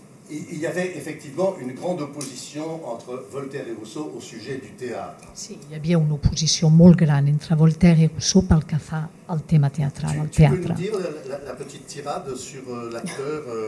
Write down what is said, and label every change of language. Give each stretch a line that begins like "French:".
French: Il y avait effectivement une grande opposition entre Voltaire et Rousseau au sujet du théâtre.
Catalan: Sí, hi havia una oposició molt gran entre Voltaire i Rousseau pel que fa al tema teatral, al teatre.
French: Tu peux nous dire la petite tirade sur l'acteur...